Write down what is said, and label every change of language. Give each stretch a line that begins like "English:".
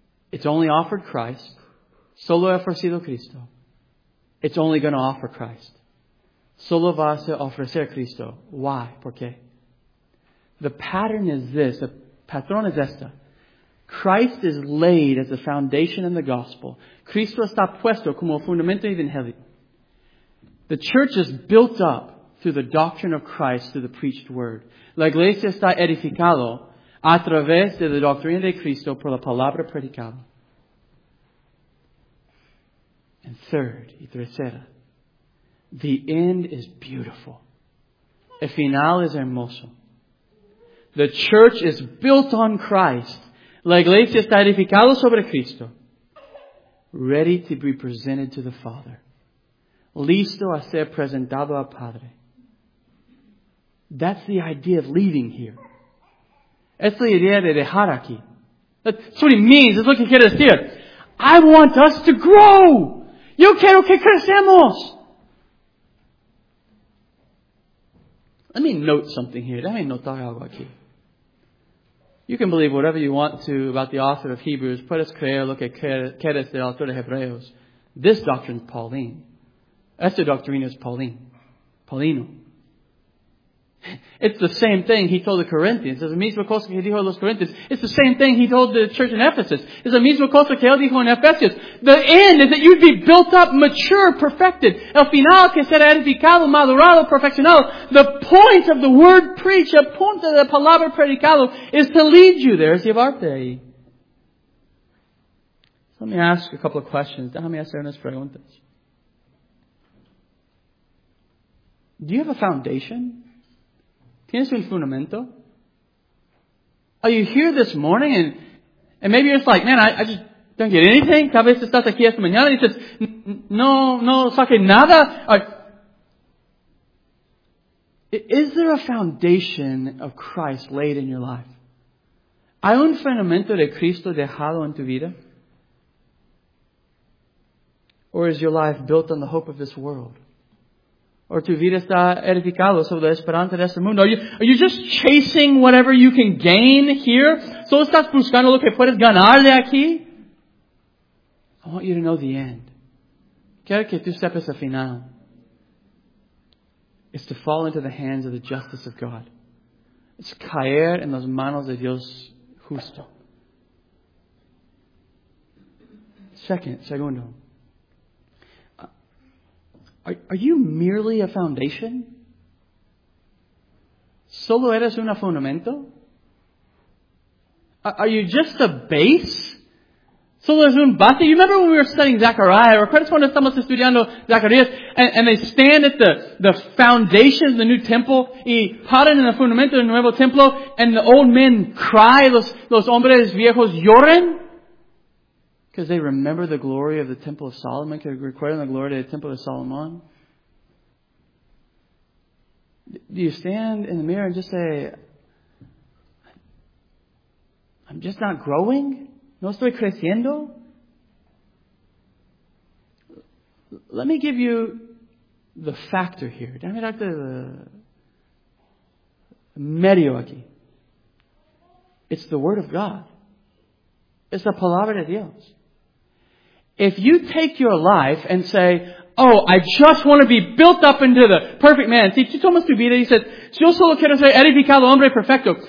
English: It's only offered Christ.
Spanish: Solo ha ofrecido Cristo.
English: It's only going to offer Christ.
Spanish: Solo va a ofrecer Cristo.
English: Why?
Spanish: ¿Por qué?
English: The pattern is this.
Spanish: The patrón es esta.
English: Christ is laid as a foundation in the gospel.
Spanish: Cristo está puesto como fundamento evangelio.
English: The church is built up through the doctrine of Christ, through the preached word.
Spanish: La iglesia está edificada a través de la doctrina de Cristo por la palabra predicada.
English: And third,
Spanish: y tercera,
English: the end is beautiful.
Spanish: El final es hermoso.
English: The church is built on Christ.
Spanish: La iglesia está edificada sobre Cristo.
English: Ready to be presented to the Father.
Spanish: Listo a ser presentado al Padre.
English: That's the idea of leaving here.
Spanish: Es la idea de dejar aquí.
English: That's what he means. That's what he
Spanish: quiere decir.
English: I want us to grow.
Spanish: Yo quiero que crecemos.
English: Let me note something here.
Spanish: Déjame notar algo aquí.
English: You can believe whatever you want to about the author of Hebrews.
Spanish: Puedes creer lo que quieres del autor de Hebreos.
English: This doctrine is Pauline.
Spanish: Esta doctrina es Pauline. Paulino.
English: It's the same thing he told the Corinthians.
Spanish: Es la misma cosa que dijo a los Corinthians.
English: It's the same thing he told the church in Ephesus.
Spanish: Es la misma cosa que él dijo en Ephesus.
English: The end is that you'd be built up, mature, perfected.
Spanish: El final que será edificado, madurado, perfeccionado.
English: The point of the word preached,
Spanish: el punto de la palabra predicado,
English: is to lead you there.
Spanish: Es llevarte ahí.
English: Let me ask a couple of questions.
Spanish: Déjame hacer unas preguntas.
English: Do you have a foundation?
Spanish: ¿Tienes un fundamento?
English: Are you here this morning and maybe you're just like, man, I just don't get anything.
Spanish: Tal vez estás aquí esta mañana y dices, no saqué nada.
English: Is there a foundation of Christ laid in your life? ¿Hay un fundamento de Cristo dejado en tu vida? Or is your life built on the hope of this world?
Spanish: Or tu vida está edificado sobre la esperanza de este mundo.
English: Are you just chasing whatever you can gain here?
Spanish: ¿Solo estás buscando lo que puedes ganar de aquí?
English: I want you to know the end.
Spanish: Quiero que tú sepas el final.
English: It's to fall into the hands of the justice of God.
Spanish: It's caer en las manos de Dios justo. Segundo.
English: Are you merely a foundation?
Spanish: ¿Solo eres un fundamento?
English: Are you just a base?
Spanish: ¿Solo eres un base?
English: You remember when we were studying Zechariah?
Spanish: ¿Recuerdas cuando estamos estudiando Zacarías?
English: And they stand at the foundation of the new temple.
Spanish: Y paran en el fundamento del nuevo templo.
English: And the old men cry.
Spanish: Los hombres viejos lloran.
English: Because they remember the glory of the Temple of Solomon. Can you recuerden the glory of the Temple of Solomon? Do you stand in the mirror and just say, I'm just not growing.
Spanish: No estoy creciendo.
English: Let me give you the factor here.
Spanish: Déjame darte el medio aquí.
English: It's the Word of God. It's the
Spanish: Palabra de Dios.
English: If you take your life and say, oh, I just want to be built up into the perfect man.
Spanish: See, tú tomas tu vida y dices, yo solo quiero ser edificado hombre perfecto.